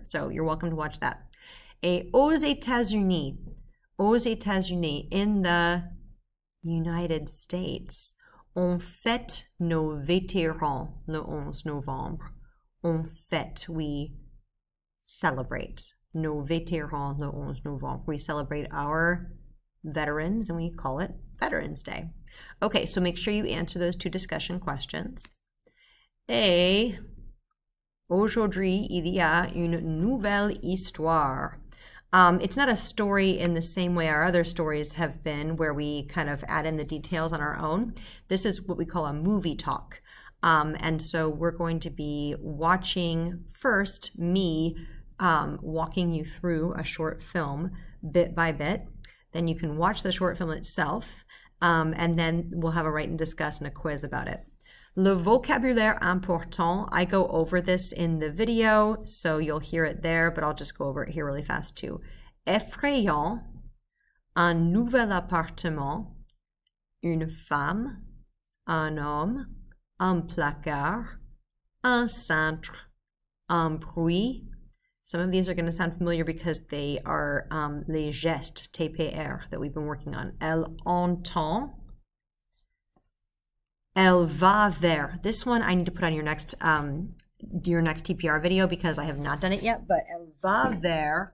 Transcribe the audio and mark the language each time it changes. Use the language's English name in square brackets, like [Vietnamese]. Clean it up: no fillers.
[English] So you're welcome to watch that. [French] Et aux États-Unis, [English] in the United States, [French] on fête nos vétérans le 11 novembre. On fête, [English] we celebrate [French] nos vétérans le 11 novembre. [English] We celebrate our veterans and we call it Veterans Day. Okay, so make sure you answer those two discussion questions. [French] Et aujourd'hui, il y a une nouvelle histoire. [English] It's not a story in the same way our other stories have been, where we kind of add in the details on our own. This is what we call a movie talk. And so we're going to be watching first me walking you through a short film bit by bit. Then you can watch the short film itself, and then we'll have a write and discuss and a quiz about it. [French] Le vocabulaire important. [English] I go over this in the video, so you'll hear it there, but I'll just go over it here really fast too. [French] Effrayant, un nouvel appartement, une femme, un homme, un placard, un cintre, un bruit. [English] Some of these are going to sound familiar because they are les gestes, TPR, that we've been working on. [French] Elle entend. Elle va vers. [English] This one I need to put on your next TPR video because I have not done it yet, but [French] elle va vers.